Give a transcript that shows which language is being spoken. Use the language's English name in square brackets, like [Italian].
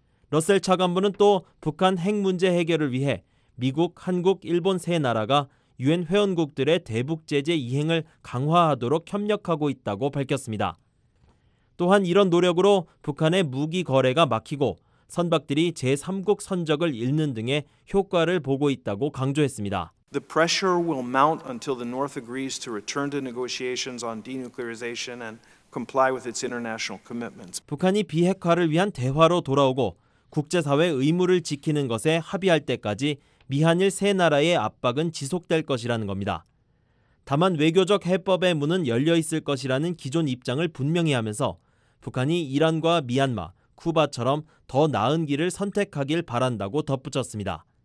[Korean] 러셀 차관보는 또 북한 핵 문제 해결을 위해 미국, 한국, 일본 세 나라가 유엔 회원국들의 대북 제재 이행을 강화하도록 협력하고 있다고 밝혔습니다. 또한 이런 노력으로 북한의 무기 거래가 막히고 선박들이 제3국 선적을 잃는 등의 효과를 보고 있다고 강조했습니다. [English] The pressure will mount until the North agrees to return to negotiations on denuclearization and comply with its international commitments. [Korean] 북한이 비핵화를 위한 대화로 돌아오고 국제사회 의무를 지키는 것에 합의할 때까지 미한일 세 나라의 압박은 지속될 것이라는 겁니다. 다만 외교적 해법의 문은 열려 있을 것이라는 기존 입장을 분명히 하면서 북한이 이란과 미얀마, 쿠바처럼 더 나은 길을 선택하길 바란다고 덧붙였습니다.